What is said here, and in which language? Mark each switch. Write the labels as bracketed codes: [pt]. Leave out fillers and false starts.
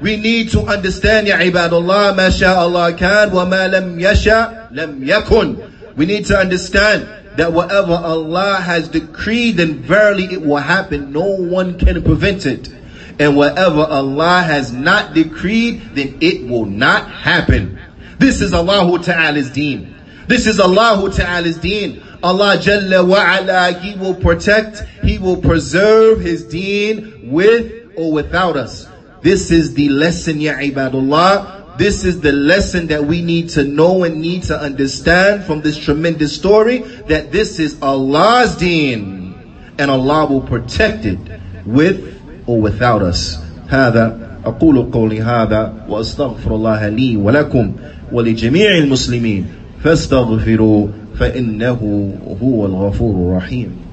[en] We need to understand, ya ibadallah, [ar] ما شاء الله كان وما لم يشاء لم يكن. [en] We need to understand that whatever Allah has decreed, then verily it will happen. No one can prevent it. And whatever Allah has not decreed, then it will not happen. This is Allah Ta'ala's deen. This is Allah Ta'ala's deen. Allah Jalla wa'ala, He will protect, He will preserve His deen with or without us. This is the lesson, ya ibadullah. This is the lesson that we need to know and need to understand from this tremendous story, that this is Allah's deen. And Allah will protect it with or without us. [ar] هذا أقول قولي هذا وأستغفر الله لي ولكم ولجميع المسلمين فاستغفروا فإنه هو الغفور الرحيم.